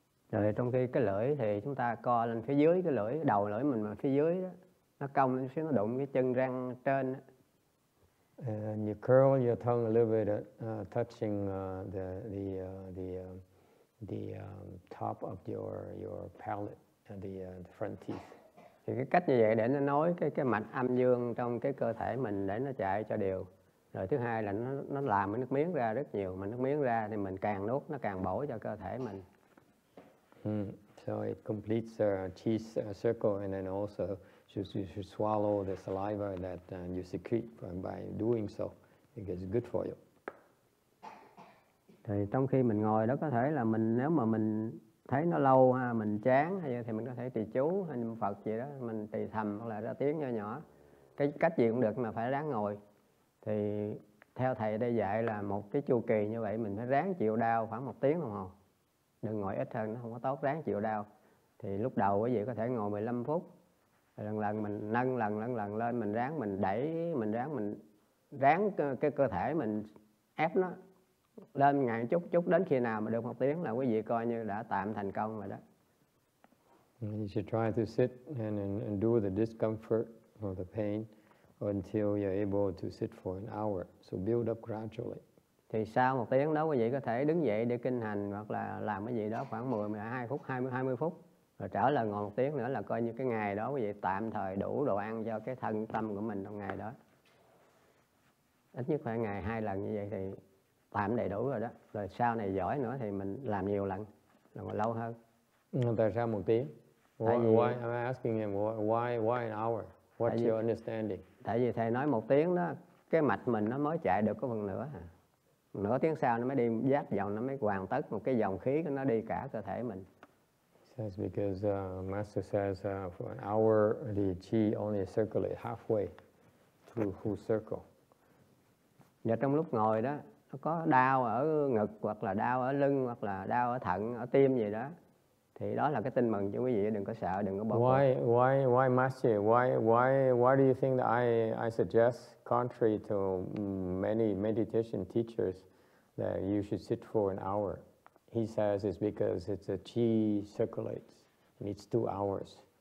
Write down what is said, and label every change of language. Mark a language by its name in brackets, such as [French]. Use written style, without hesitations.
[Vietnamese] Rồi trong khi cái lưỡi thì chúng ta co lên phía dưới cái lưỡi, đầu lưỡi mình mà phía dưới đó, nó cong lên xíu nó đụng cái chân răng trên đó. [English] And you curl your tongue a little bit, touching the top of your palate and the front teeth. [Vietnamese] Thì cái cách như vậy để nó nối cái mạch âm dương trong cái cơ thể mình để nó chạy cho đều. Rồi thứ hai là nó làm cái nước miếng ra rất nhiều, mà nước miếng ra thì mình càng nuốt nó càng bổ cho cơ thể mình. [English] So it completes the qi circle, and then also you should swallow the saliva that you secrete by doing so. It is good for you. [Vietnamese] Thì trong khi mình ngồi đó có thể là mình nếu mà mình thấy nó lâu ha, mình chán hay thì mình có thể trì chú hay niệm Phật gì đó, mình trì thầm hoặc là ra tiếng nhỏ nhỏ. Cái cách gì cũng được mà phải ráng ngồi. Thì theo thầy đây dạy là một cái chu kỳ như vậy mình phải ráng chịu đau khoảng một tiếng đồng hồ. Đừng ngồi ít hơn, nó không có tốt, ráng chịu đau. Thì lúc đầu quý vị có thể ngồi 15 phút. Rồi lần lần mình nâng lần lần lên, mình ráng mình đẩy, mình ráng cái cơ thể mình ép nó lên ngày chút đến khi nào mà được một tiếng là quý vị coi như đã tạm thành công rồi đó. [English] You should try to sit and endure the discomfort or the pain until you're able to sit for an hour. So build up gradually. [Vietnamese] Thì sau một tiếng đó quý vị có thể đứng dậy để kinh hành hoặc là làm cái gì đó khoảng 10-12 phút, 20 phút. Rồi trở lại ngồi một tiếng nữa là coi như cái ngày đó quý vị tạm thời đủ đồ ăn cho cái thân tâm của mình trong ngày đó. Ít nhất khoảng ngày 2 lần như vậy thì tạm đầy đủ rồi đó. Rồi sau này giỏi nữa thì mình làm nhiều lần, làm lâu hơn. Tại sao một tiếng? [English] Why am I asking him why an hour? What's your understanding? [Vietnamese] Tại vì thầy nói một tiếng đó, cái mạch mình nó mới chạy được có phần nữa hả? Nửa tiếng sau nó mới đi giáp dòng, nó mới hoàn tất một cái dòng khí nó đi cả cơ thể mình. [English] That's because Master says for an hour the chi only circulates halfway through full circle. [Vietnamese] Và trong lúc ngồi đó, nó có đau ở ngực hoặc là đau ở lưng hoặc là đau ở thận, ở tim gì đó. Thì đó là cái tin mừng cho quý vị, đừng có sợ, đừng có bỏ qua. [English] Why Master, why do you think that I suggest, contrary to many meditation teachers, that you should sit for an hour? He says it's because it's a qi circulates, it needs 2 hours.